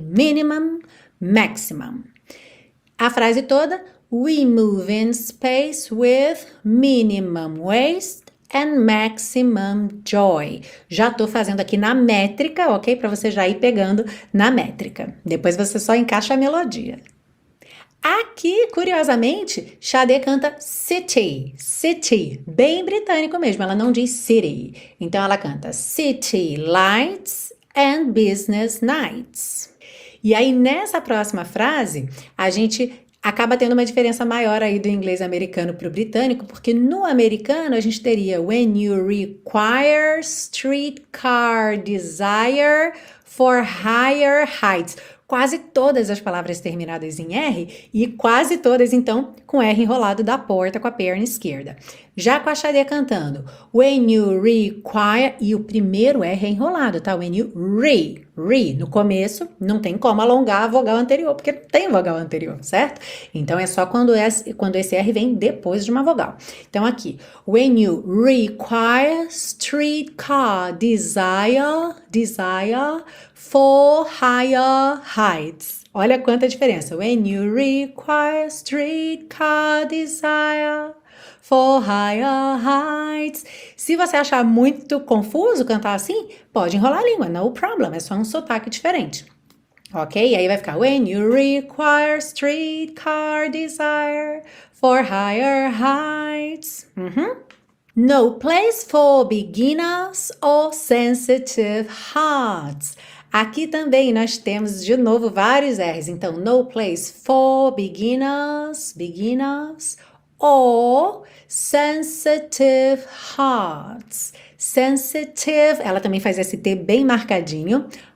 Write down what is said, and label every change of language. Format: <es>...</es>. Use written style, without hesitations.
<en>Minimum, maximum.</en> <pt>A frase toda:</pt> <en>We move in space with minimum waste and maximum joy.</en> <pt>Já tô fazendo aqui na métrica, ok? Para você já ir pegando na métrica. Depois você só encaixa a melodia. Aqui, curiosamente, Sade canta city, city, bem britânico mesmo, ela não diz city. Então ela canta</pt> <en>city lights and business nights.</en> <pt>E aí, nessa próxima frase, a gente acaba tendo uma diferença maior aí do inglês americano para o britânico, porque no americano a gente teria</pt> <en>when you require streetcar desire for higher heights.</en> <pt>Quase todas as palavras terminadas em R e quase todas, então, com R enrolado da porta com a perna esquerda. Já com a Xadê cantando,</pt> <en>when you require,</en> <pt>e o primeiro R é enrolado, tá?</pt> <en>When you re,</en> <pt>no começo, não tem como alongar a vogal anterior, porque tem vogal anterior, certo? Então é só quando esse R vem depois de uma vogal. Então aqui,</pt> <en>when you require streetcar desire for higher heights.</en> <pt>Olha quanta diferença.</pt> <en>When you require streetcar desire for higher heights.</en> <pt>Se você achar muito confuso cantar assim, pode enrolar a língua,</pt> <en>no problem,</en> <pt>é só um sotaque diferente.</pt> <en>Ok?</en> <pt>E aí vai ficar</pt> <en>when you require streetcar desire for higher heights. No place for beginners or sensitive hearts.</en> <pt>Aqui também nós temos de novo vários R's. Então,</pt> <en>no place for beginners, or sensitive hearts.</en> <pt>Sensitive, ela também faz esse T bem marcadinho.</pt>